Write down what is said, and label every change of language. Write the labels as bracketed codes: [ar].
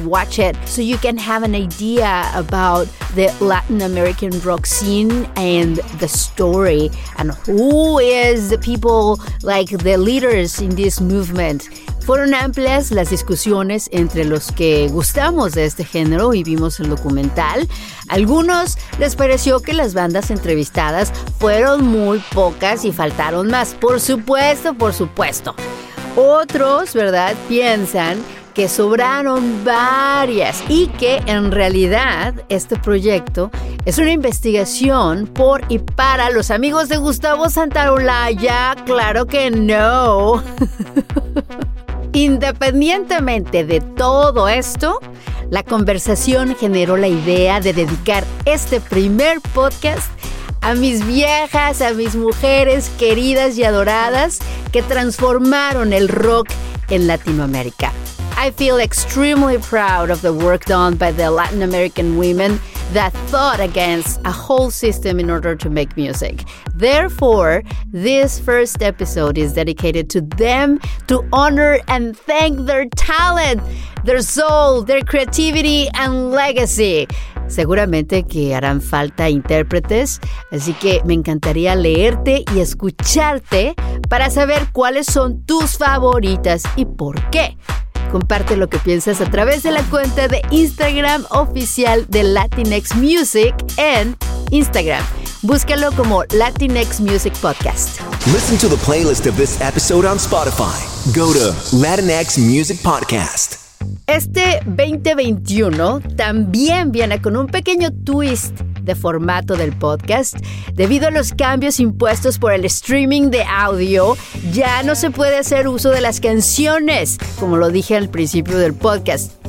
[en] Watch it so you can have an idea about the Latin American rock scene and the story and who is the people, like the leaders in this movement. [es] Fueron amplias las discusiones entre los que gustamos de este género y vimos el documental. Algunos les pareció que las bandas entrevistadas fueron muy pocas y faltaron más. Por supuesto, por supuesto. Otros, ¿verdad?, piensan que sobraron varias y que en realidad este proyecto es una investigación por y para los amigos de Gustavo Santaolalla. ¡Claro que no! Independientemente de todo esto, la conversación generó la idea de dedicar este primer podcast a mis viejas, a mis mujeres queridas y adoradas que transformaron el rock en Latinoamérica. [en] I feel extremely proud of the work done by the Latin American women that fought against a whole system in order to make music. Therefore, this first episode is dedicated to them to honor and thank their talent, their soul, their creativity and legacy. [es] Seguramente que harán falta intérpretes, así que me encantaría leerte y escucharte para saber cuáles son tus favoritas y por qué. Comparte lo que piensas a través de la cuenta de Instagram oficial de Latinx Music en Instagram. Búscalo como Latinx Music Podcast. [en] Listen to the playlist of this episode on Spotify. Go to Latinx Music Podcast. [es] Este 2021 también viene con un pequeño twist de formato del podcast. Debido a los cambios impuestos por el streaming de audio, ya no se puede hacer uso de las canciones, como lo dije al principio del podcast.